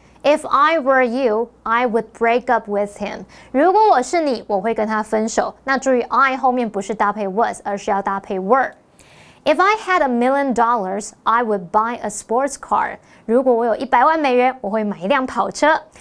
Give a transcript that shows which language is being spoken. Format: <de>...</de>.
<en>If I were you, I would break up with him.</en> <zh>如果我是你，我会跟他分手。那注意 I 后面不是搭配 was, 而是要搭配 were。</zh> <en>If I had $1 million, I would buy a sports car.</en> <zh>如果我有100万美元，我会买一辆跑车。</zh>